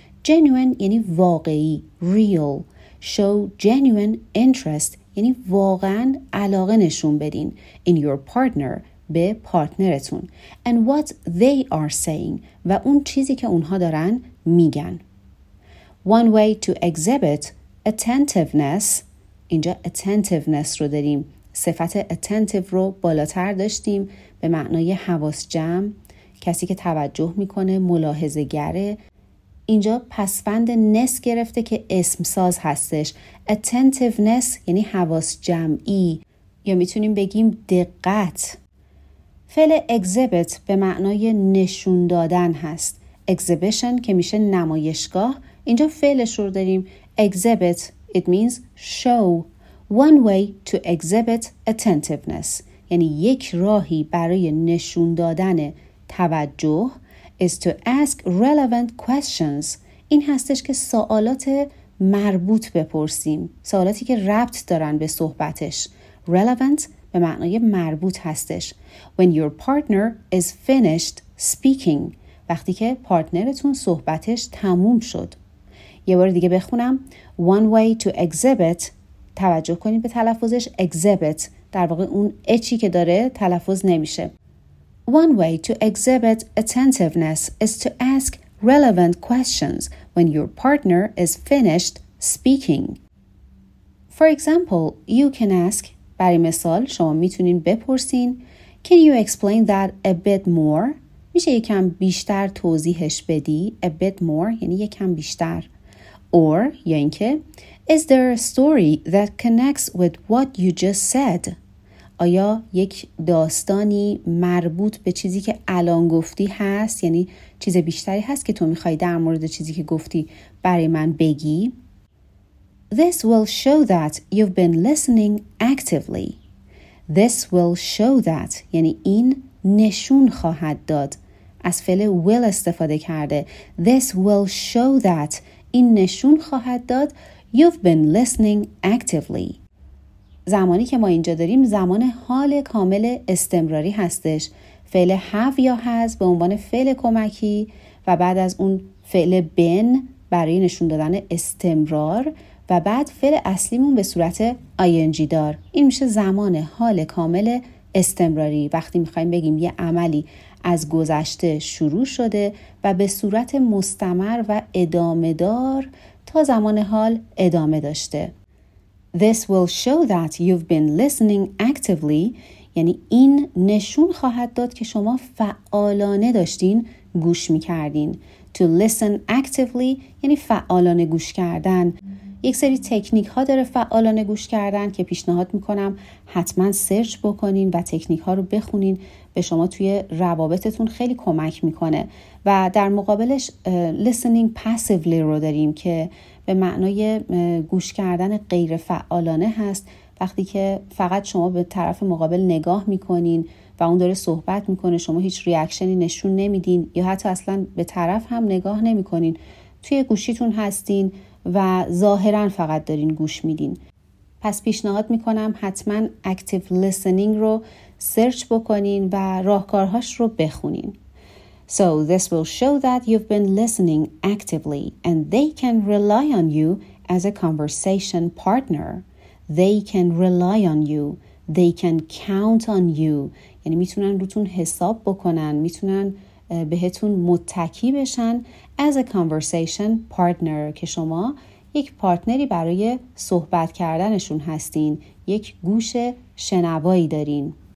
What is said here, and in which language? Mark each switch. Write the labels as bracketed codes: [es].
[fa] Genuine یعنی واقعی. [en] Real. Show genuine interest. [fa] یعنی واقعا علاقه نشون بدین. [en] In your partner. [fa] به پارتنرتون. And what they are saying و اون چیزی که اونها دارن میگن. [en] One way to exhibit attentiveness اینجا attentiveness [fa] رو داریم. صفت attentive رو بالاتر داشتیم به معنای حواس جمع، کسی که توجه میکنه، ملاحظه گره. اینجا پسوند ness گرفته که اسم ساز هستش. Attentiveness یعنی حواس جمعی یا میتونیم بگیم دقت. فعل exhibit به معنای نشون دادن هست. exhibition که میشه نمایشگاه، اینجا فعلش رو داریم exhibit. [en] It means show. One way to exhibit attentiveness. [fa] یعنی یک راهی برای نشون دادن توجه [en] is to ask relevant questions. [fa] این هستش که سوالات مربوط بپرسیم. سوالاتی که ربط دارن به صحبتش. Relevant به معنای مربوط هستش. [en] When your partner is finished speaking. [fa] وقتی که پارتنرتون صحبتش تموم شد. یه بار دیگه بخونم. [en] One way to exhibit. [fa] توجه کنید به تلفظش exhibit. در واقع اون اچی که داره تلفظ نمیشه. [en] One way to exhibit attentiveness is to ask relevant questions when your partner is finished speaking. For example, you can ask, [fa] برای مثال شما میتونین بپرسین, [en] Can you explain that a bit more? [fa] میشه یکم بیشتر توضیحش بدی, [en] a bit more, [fa] یعنی یکم بیشتر. [en] Or, [fa] یا اینکه, [en] Is there a story that connects with what you just said? [fa] آیا یک داستانی مربوط به چیزی که الان گفتی هست؟ یعنی چیز بیشتری هست که تو میخوایی در مورد چیزی که گفتی برای من بگی؟ [en] This will show that you've been listening actively. This will show that [fa] یعنی این نشون خواهد داد. از فعل will استفاده کرده. [en] This will show that [fa] این نشون خواهد داد. [en] You've been listening actively. [fa] زمانی که ما اینجا داریم زمان حال کامل استمراری هستش. فعل have یا has به عنوان فعل کمکی و بعد از اون فعل been برای نشون دادن استمرار و بعد فعل اصلیمون به صورت ing دار. این میشه زمان حال کامل استمراری. وقتی میخواییم بگیم یه عملی از گذشته شروع شده و به صورت مستمر و ادامه دار تا زمان حال ادامه داشته. [en] This will show that you've been listening actively. [fa] یعنی این نشون خواهد داد که شما فعالانه داشتین گوش میکردین. [en] To listen actively [fa] یعنی فعالانه گوش کردن. یک سری تکنیک ها داره فعالانه گوش کردن که پیشنهاد میکنم حتما سرچ بکنین و تکنیک ها رو بخونین. به شما توی روابطتون خیلی کمک میکنه. و در مقابلش [en] listening passively [fa] رو داریم که به معنای گوش کردن غیر فعالانه هست. وقتی که فقط شما به طرف مقابل نگاه میکنین و اون داره صحبت میکنه, شما هیچ ریاکشنی نشون نمیدین یا حتی اصلا به طرف هم نگاه نمیکنین, توی گوشیتون هستین و ظاهرا فقط دارین گوش میدین. پس پیشنهاد میکنم حتما [en] active listening [fa] رو سرچ بکنین و راهکارهاش رو بخونین. [en] So this will show that you've been listening actively and they can rely on you as a conversation partner. They can rely on you. They can count on you. [fa] یعنی میتونن روتون حساب بکنن, میتونن بهتون متکی بشن [en] as a conversation partner, [fa] که شما یک پارتنری برای صحبت کردنشون هستین, یک گوش شنوایی دارین.